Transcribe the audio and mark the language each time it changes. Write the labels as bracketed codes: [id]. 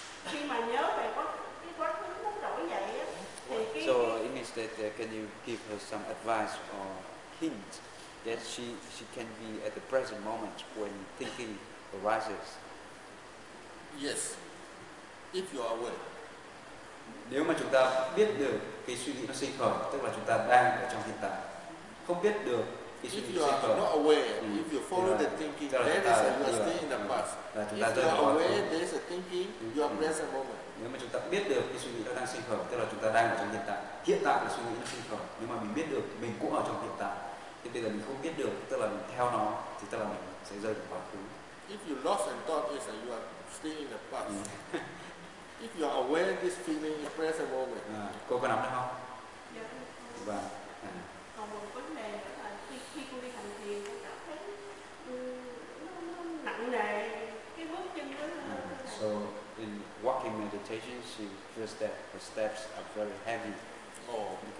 [vi] Khi mà nhớ về quá khứ nó đổi vậy á, thì [en] so it means that can you give her some advice or hint that she can be at the present moment when thinking arises. Yes, if you are aware. [vi] Nếu mà chúng ta biết được cái suy nghĩ nó sinh khởi, tức là chúng ta đang ở trong hiện tại, không biết được cái suy nghĩ sinh khởi. [en] If you are not aware, if you follow the thinking, there is a state in the past. If you are aware, there is a thinking, you are present moment. [vi] Nếu mà chúng ta biết được cái suy nghĩ nó đang sinh khởi, tức là chúng ta đang ở trong hiện tại là suy nghĩ nó sinh khởi. Nếu mà mình biết được mình cũng ở trong hiện tại, thì bây giờ mình không biết được, tức là mình theo nó, thì tức là mình sẽ rơi vào quá khứ. [en] If you lost and thought is that you are still in the past. If you are aware this feeling is present moment. [vi] Cô có nắm được không? Dạ. Vâng. Còn một vấn đề nữa là khi cô đi hành thiền, cô cảm thấy nó nặng nề cái bước chân đó. [en] So in walking meditation, she feels that her steps are very heavy. Oh.